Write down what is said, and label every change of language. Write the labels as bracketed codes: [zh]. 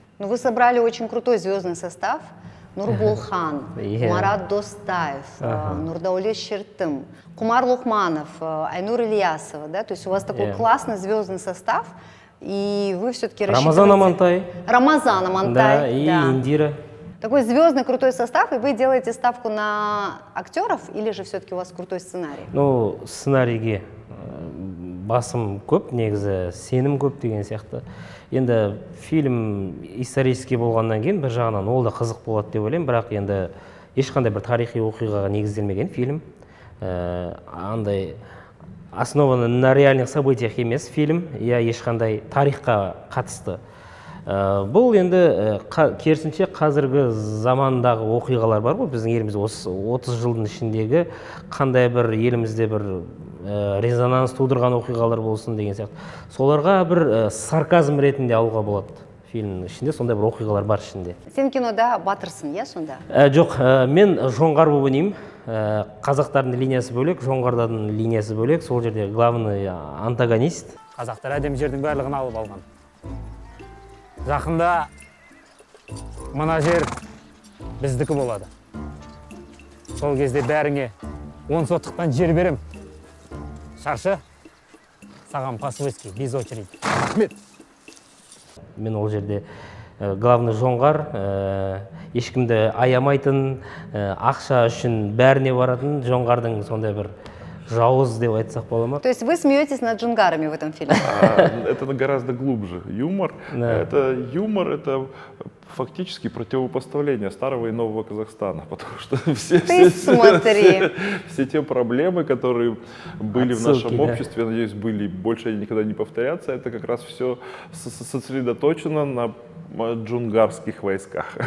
[ru] Ну, вы собрали очень крутой звездный состав. Нурбулхан, Марат Достаев, Нурдауле Шертым, Кумар Лухманов, Айнур Ильясова. Да? То есть у вас такой классный звездный состав. И вы все-таки Рамазан Амантай. Рамазан Амантай. Да, и да. Индира. Такой звездный крутой состав, и вы делаете ставку на актеров, или же все-таки у вас крутой сценарий? [kk] Ну, сценарийге басым көп, негізі сенім көп деген сияқты. Енді фильм исторический болғаннан кейін, бір жағынан ол да қызық болады деп ойлаймын, бірақ енді ешқандай бір тарихи оқиғаға негізделмеген фильм. Андай [ru] основан на реальных событиях [kk] емес фильм, я ешқандай тарихқа қатысты. Бұл енді керісінше қазіргі замандағы оқиғалар бар ғой, біздің елімізде осы 30 жылдың ішіндегі қандай бір елімізде бір резонанс тудырған оқиғалар болсын деген сияқты. Соларға бір сарказм ретінде алуға болады. Фильмнің ішінде сондай бір оқиғалар бар ішінде. Сен кинода батырсың, иә, сонда? Жоқ, мен жоңғар болып ойнаймын. Қазақтардың линиясы бөлек, жоңғардардың линиясы бөлек. Сол жерде [ru] главный антагонист. [kk] Қазақтар әдемі жердің барлығын алып алған. Жақында мына жер біздікі болады. Сол кезде бәріңе 10 сотықтан жер берем. [ru] Шаршы, саған по-свойски, без очереди. [kk] Рахмет. Мен ол жерде главный жоңғар, ешкімді аямайтын, ақша үшін бәріне баратын жоңғардың сондай бір жауз сделать сахпалома. [ru] То есть вы смеетесь над джунгарами в этом фильме? Это гораздо глубже. Юмор. Это юмор, это фактически противопоставление старого и нового Казахстана, потому что все, все те проблемы, которые были в нашем обществе, надеюсь, были больше они никогда не повторятся, это как раз все сосредоточено на джунгарских войсках.